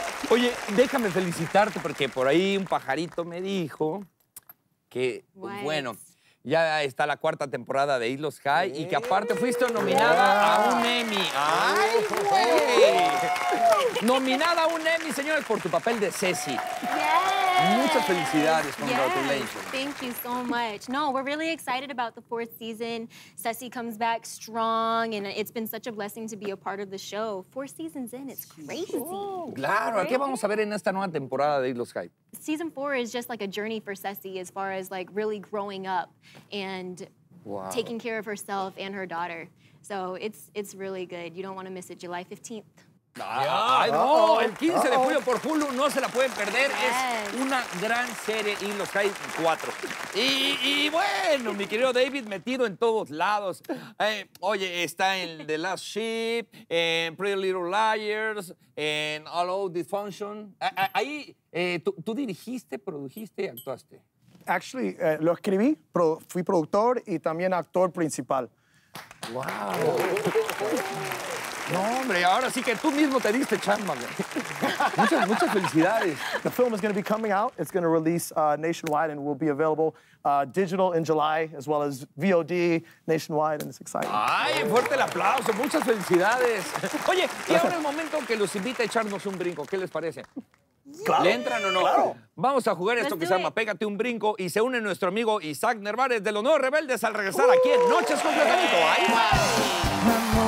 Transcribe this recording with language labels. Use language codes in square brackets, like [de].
[es] Oye, déjame felicitarte porque por ahí un pajarito me dijo que, [en] what? [es] Bueno, ya está la cuarta temporada de Hilos High, ¿eh? Y que aparte fuiste nominada a un Emmy. ¡Ay, güey! Nominada a un Emmy, señores, por tu papel de Ceci. [en] Yes. [es] Muchas felicidades. Congratulations. [en] Yes. Thank you so much. No, we're really excited about the fourth season. Ceci comes back strong and it's been such a blessing to be a part of the show. Four seasons in, it's crazy. Oh, [es] claro, ¿qué vamos a ver en esta nueva temporada de Hilos High? [en] Season 4 is just like a journey for Ceci as far as like really growing up and taking care of herself and her daughter. So it's really good. You don't want to miss it. July 15th. [es] El 15 de julio por Hulu, no se la pueden perder. Yes. Es una gran serie, Hilos High 4. Y bueno, mi querido David, metido en todos lados. Oye, está en The Last Ship, en Pretty Little Liars, en All Out Dysfunction. Ahí, ¿tú dirigiste, produjiste y actuaste? Actually, lo escribí, fui productor y también actor principal. ¡Wow! No, hombre, ahora sí que tú mismo te diste chamba, güey. Muchas felicidades. [en] The film is going to be coming out. It's going to release nationwide and will be available digital in July, as well as VOD nationwide, and it's exciting. [es] ¡Ay, fuerte el aplauso! Muchas felicidades. Oye, y ahora es el momento que los invita a echarnos un brinco. ¿Qué les parece? Claro. ¿Le entran o no? Claro. Vamos a jugar esto que se llama Pégate un Brinco y se une nuestro amigo Isaac Nervárez de Los Nuevos Rebeldes al regresar aquí en Noches con Platanito. ¡Ahí va!